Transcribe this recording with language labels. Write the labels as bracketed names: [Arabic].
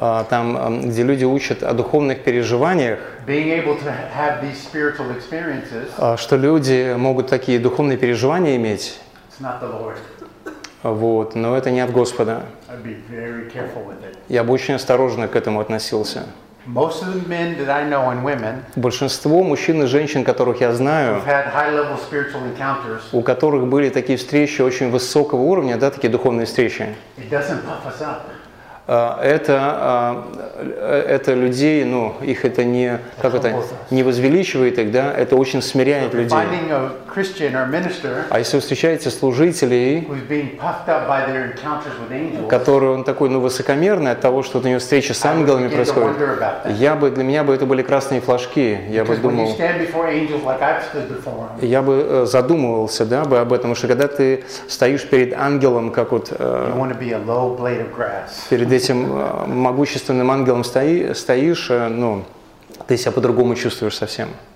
[Russian] там, где люди учат о духовных переживаниях, [English] being able to have these spiritual experiences, [Russian] что люди могут такие духовные переживания иметь. [English] It's not the Lord. [Russian] Но это не от Господа. [English] I'd be very careful with it. [Russian] Я бы очень осторожно к этому относился. [English] Most of the men that I know and women, [Russian] большинство мужчин и женщин, которых я знаю, [English] who've had high-level spiritual encounters, [Russian] у которых были такие встречи очень высокого уровня, да, такие духовные встречи, [English] it doesn't puff us up. [Russian] Это людей, ну, их это не, как это, не возвеличивает их, да, это очень смиряет людей. [English] Finding a Christian or minister, [Russian] а если вы встречаете служителей, [English] who's being puffed up by their encounters with angels, [Russian] который он такой, высокомерный от того, что у него встреча с ангелами происходит, для меня бы это были красные флажки, я бы задумывался, да, об этом, что когда ты стоишь перед ангелом, как вот, [English] you want to be a low blade of grass. [Russian] Перед этим могущественным ангелом стоишь, ты себя по-другому чувствуешь совсем.